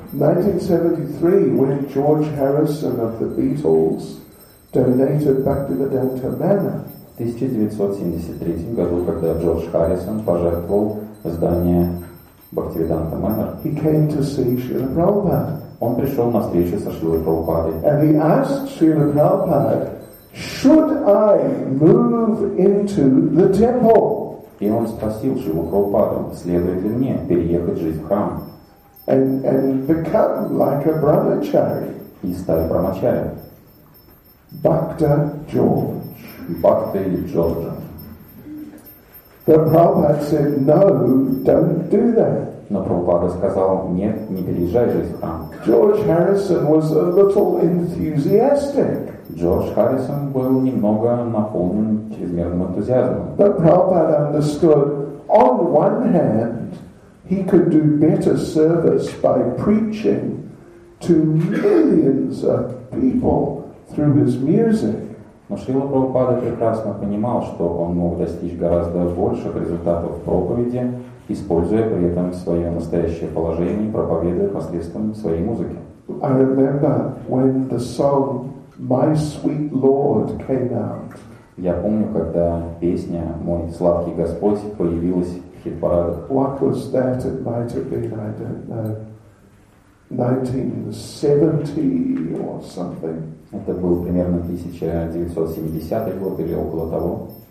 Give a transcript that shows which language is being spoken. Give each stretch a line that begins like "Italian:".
English: 1973, when George Harrison of the Beatles donated Bhaktivedanta Manor.
Russian: В 1973 году, когда Джордж Харрисон пожертвовал здание Бхактивиданта Манор,
English: he came to see Srila Prabhupada.
Russian: Он пришел на встречу со Шрилой Прабхупадой.
English: And he asked Srila Prabhupada, should I move into the temple?
Russian: И он спросил Шрилу Прабхупаду, следует ли мне переехать жить в храм?
English: And become like a brahmachari.
Russian: И стать брахмачари.
English: Bhakta George.
Russian: Bhakta George.
English: The Prabhupada said, no, don't do that.
Russian: Но Прабхупада сказал, нет, не переезжай жить в храм.
English: George Harrison was a little enthusiastic.
Russian: Джордж Харрисон был немного наполнен чрезмерным энтузиазмом.
English: But Prabhupada understood, on one hand, he could do better service by preaching to millions of people through his music.
Russian: Но Шрила Прабхупада прекрасно понимал, что он мог достичь гораздо больших результатов в проповеди, используя при этом свое настоящее положение, проповедуя посредством своей музыки.
English: I remember when the song My Sweet Lord came out.
Russian: Я помню, когда песня «Мой сладкий Господь» появилась в хит-парадах.
English: What was that? It might have been, I don't know, 1970 or something.
Russian: Это был примерно 1970 год или около того.